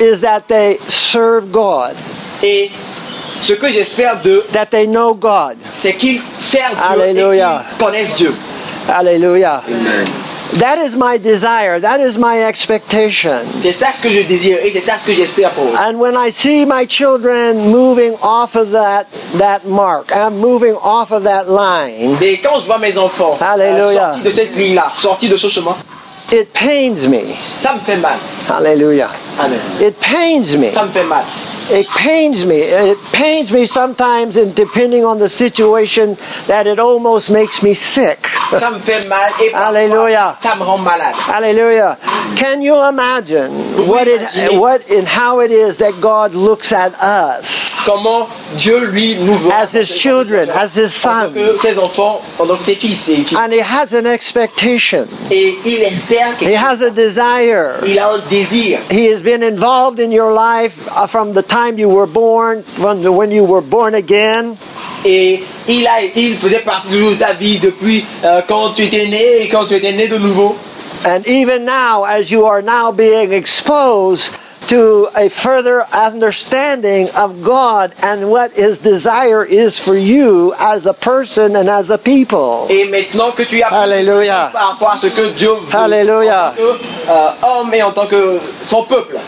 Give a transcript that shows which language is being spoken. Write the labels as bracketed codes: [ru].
[en] is that they serve God. [fr] Et ce que j'espère d'eux, [en] that they know God. [fr] C'est qu'ils servent [en] Hallelujah. [fr] Dieu et qu'ils connaissent Dieu. [en] Hallelujah. Amen. That is my desire. That is my expectation. [fr] C'est ça ce que je désire et c'est ça ce que j'espère pour eux. [en] And when I see my children moving off of that mark, I'm moving off of that line. [fr] Et quand je vois mes enfants [en] Hallelujah. [fr] Sortis de cette ligne-là, sortis de ce chemin, [en] it pains me. [fr] Ça me fait mal. [en] Hallelujah. Amen. It pains me. [fr] Ça me fait mal. [en] It pains me. It pains me sometimes, and depending on the situation, that it almost makes me sick. [fr] Ça me fait mal. Et [en] Hallelujah. [fr] Ça me rend malade. [en] Hallelujah. Can you imagine what and how it is that God looks at us? [fr] Comment Dieu lui nous voit? [en] As His children, as His sons. [fr] En tant que ses enfants, en tant que ses fils. [en] And He has an expectation. [fr] Et il espère quelque chose. [en] He has a desire. [fr] Il a un désir. [en] He has been involved in your life from the time you were born, when you were born again. [fr] Et il faisait partie de ta vie depuis quand tu étais né et quand tu étais né de nouveau. [en] And even now, as you are now being exposed to a further understanding of God and what His desire is for you as a person and as a people. [fr] Et maintenant que tu as [en] Hallelujah. [fr] Par rapport à ce que Dieu veut [en] Hallelujah. [fr] En tant que homme et en tant que son peuple.